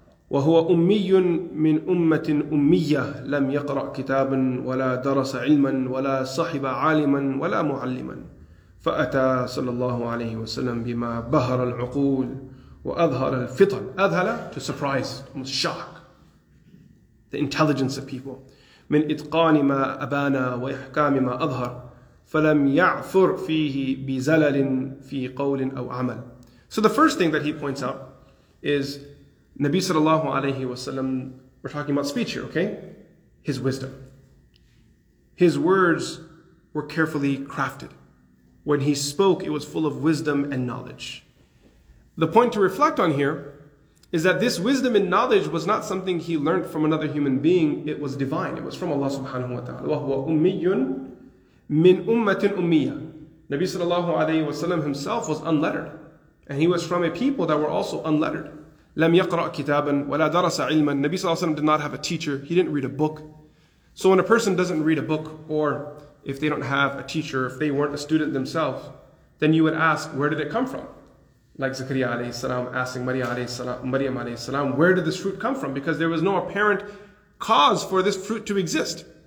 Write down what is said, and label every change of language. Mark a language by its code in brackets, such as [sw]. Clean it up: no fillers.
[ar] وهو أمي من أمة أمية لم يقرأ كتابا ولا درس علما ولا صحب عالما ولا معلما فأتى صلى الله عليه وسلم بما بهر العقول وأظهر الفطن أذهل [en] to surprise, almost shock the intelligence of people [ar] من إتقان ما أبانا وإحكام ما أظهر فلم يعثر فيه بزلل في قول أو عمل. [en] So the first thing that he points out is Nabi sallallahu alayhi wa sallam, we're talking about speech here, okay? His wisdom. His words were carefully crafted. When he spoke, it was full of wisdom and knowledge. The point to reflect on here is that this wisdom and knowledge was not something he learned from another human being, it was divine. It was from Allah subhanahu wa ta'ala. [ar] وَهُوَ أُمِّيٌّ مِنْ أُمَّةٍ أُمِّيَّةٍ [en] Nabi sallallahu alayhi wa sallam himself was unlettered. And he was from a people that were also unlettered. [ar] لم يقرأ كتابا ولا درس علما. [en] Nabi ﷺ did not have a teacher. He didn't read a book. So when a person doesn't read a book, or if they don't have a teacher, if they weren't a student themselves, then you would ask, where did it come from? Like Zakaria alayhi salam asking Maryam alayhi salam, where did this fruit come from? Because there was no apparent cause for this fruit to exist.